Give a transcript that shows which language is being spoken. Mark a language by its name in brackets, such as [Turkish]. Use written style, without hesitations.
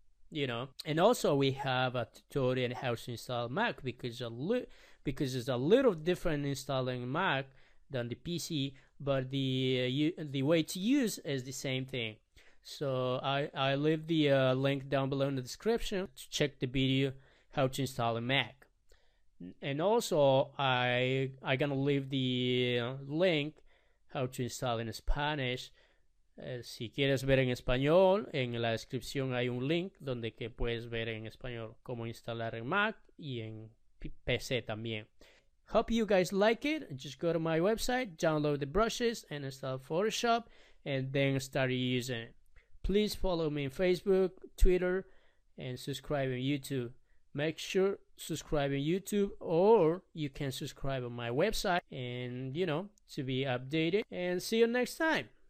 [English] You know, and also we have a tutorial on how to install Mac because it's a little different installing Mac than the PC, but the way to use is the same thing. So I leave the link down below in the description to check the video how to install a Mac, and also I gonna leave the link how to install in Spanish. [Spanish] Si quieres ver en español, en la descripción hay un link donde que puedes ver en español cómo instalar en Mac y en PC también. [English] Hope you guys like it. Just go to my website, download the brushes and install Photoshop, and then start using it. Please follow me on Facebook, Twitter, and subscribe on YouTube. Make sure subscribe on YouTube, or you can subscribe on my website, and you know, to be updated. And see you next time.